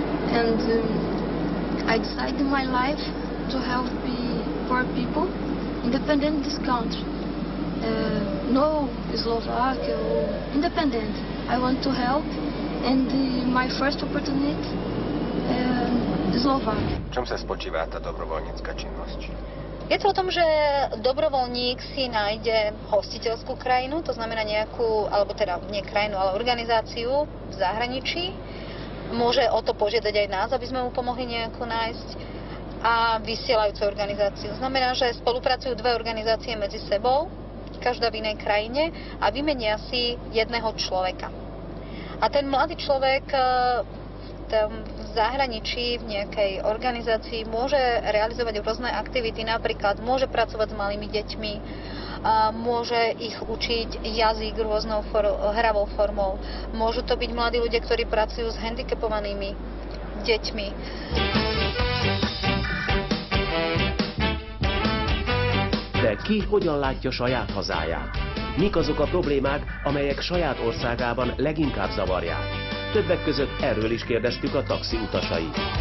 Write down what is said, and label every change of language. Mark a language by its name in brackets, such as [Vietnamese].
[English] And I decided my life to help poor people, independent this country. No Slovakia, independent. I want to help. And my first opportunity is Slovakia. [Slovak] V čom sa spočíva tá dobrovoľnícka činnosť? Je to o tom, že dobrovoľník si nájde hostiteľskú krajinu, to znamená nejakú, alebo teda nie krajinu, ale organizáciu v zahraničí. Môže o to požiadať aj nás, aby sme mu pomohli nejakú nájsť. A vysielajúcu organizáciu. Znamená, že spolupracujú dve organizácie medzi sebou, každá v inej krajine, a vymenia si jedného človeka. A ten mladý človek tam v zahraničí, v nejakej organizácii, môže realizovať rôzne aktivity, napríklad môže pracovať s malými deťmi, a môže ich učiť jazyk rôznou hravou formou. Môžu to byť mladí ľudia, ktorí pracujú s handicapovanými deťmi. [Hungarian] De ki hogyan látja saját hazáját? Mik azok a problémák, amelyek saját országában leginkább zavarják? Többek között erről is kérdeztük a taxi utasait.